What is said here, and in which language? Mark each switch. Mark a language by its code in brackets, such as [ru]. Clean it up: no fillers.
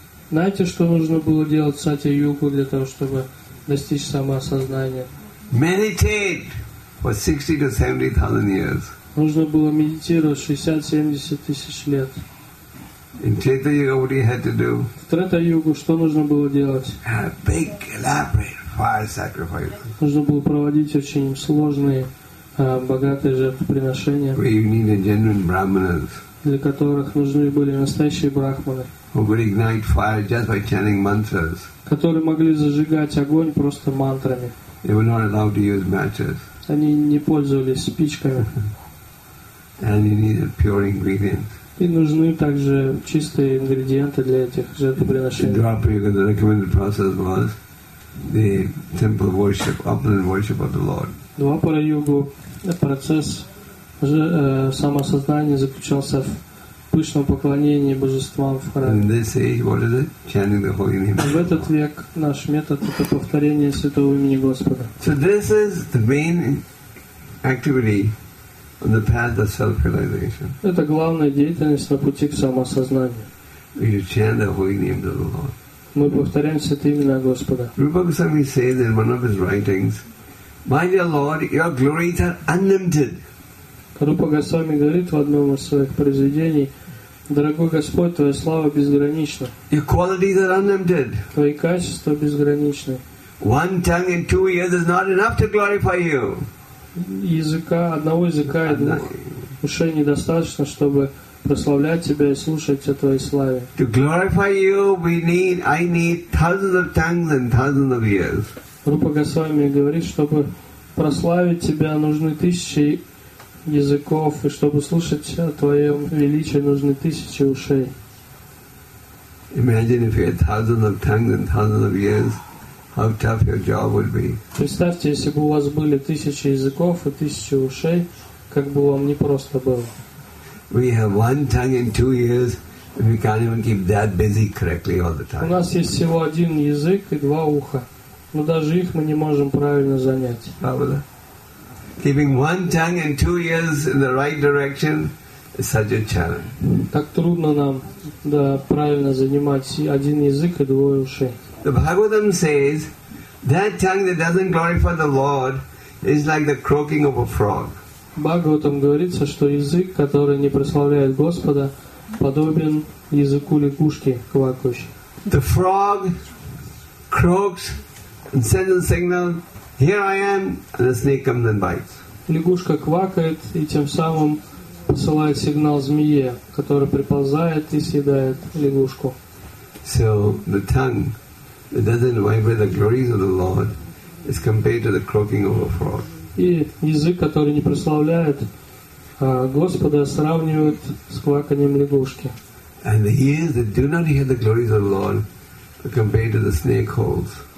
[ru] Знаете, что нужно было делать в Сати-йогу для того, чтобы достичь самоосознания? [en] Meditate for 60 to 70,000 years. [ru] Нужно было медитировать 60-70 тысяч лет. [en] In Treta Yuga, what you had to do? [ru] В Трета-йогу что нужно было делать? [en] A big elaborate fire sacrifice. [ru] Нужно было проводить очень сложные, богатые жертвоприношения. [en] Where you needed genuine brahmanas. [ru] Для которых нужны были настоящие брахманы. [en] Who could ignite fire just by chanting mantras. [ru] Которые могли зажигать огонь просто мантрами. [en] They were not allowed to use matches. [ru] Они не пользовались спичками. [en] And you need a pure ingredient. [ru] И нужны также чистые ингредиенты для этих жертвоприношений. [en] Drapa Yuga, the recommended process was the temple worship, upland worship of the Lord. [ru] Двапара Йогу процесс самосознания заключался в пышном поклонении божествам в храме. В этот век наш метод — это повторение святого имени Господа. [en] So this is the main activity on the path of self-realization. [ru] Это главная деятельность на пути к самосознанию. [en] You chant the holy name of the Lord. [ru] Мы повторяем святые имена Господа. [en] Rupa Goswami says in one of his writings, "My dear Lord, your glories are unlimited." [ru] Рупа Госвами говорит в одном из своих произведений: «Дорогой Господь, Твоя слава безгранична. [en] Your qualities are unlimited. [ru] Твои качества безграничны. [en] One tongue and two ears is not enough to glorify you. [ru] Языка, одного языка и двух ушей недостаточно, чтобы прославлять Тебя и слушать о Твоей славе. [en] To glorify you, I need thousands of tongues and thousands of ears. [ru] Рупа Госвами говорит, чтобы прославить Тебя, нужны тысячи языков, и чтобы слушать о Твоем величии, нужны тысячи ушей. [en] Imagine if you had thousands of tongues and thousands of ears, how tough your job would be. [ru] Представьте, если бы у вас были тысячи языков и тысячи ушей, как бы вам непросто было. [en] We have one tongue and two ears, and we can't even keep that busy correctly all the time. [ru] У нас есть всего один язык и два уха, но даже их мы не можем правильно занять. Правда? [en] Keeping one tongue and two ears in the right direction is such a challenge. [ru] Так трудно нам, да, правильно занимать один язык и двое ушей. [en] The Bhagavatam says that tongue that doesn't glorify the Lord is like the croaking of a frog. [ru] Бхагаватам говорится, что язык, который не прославляет Господа, подобен языку лягушки квакающей. [en] The frog croaks and sends a signal. Here I am, and the snake comes and bites. [ru] Лягушка квакает и тем самым посылает сигнал змее, которая приползает и съедает лягушку. [en] So the tongue that doesn't vibrate the glories of the Lord is compared to the croaking of a frog. [ru] И язык, который не прославляет Господа, сравнивают с кваканием лягушки. [en] And the ears that do not hear the glories of the Lord are compared to the snake holes.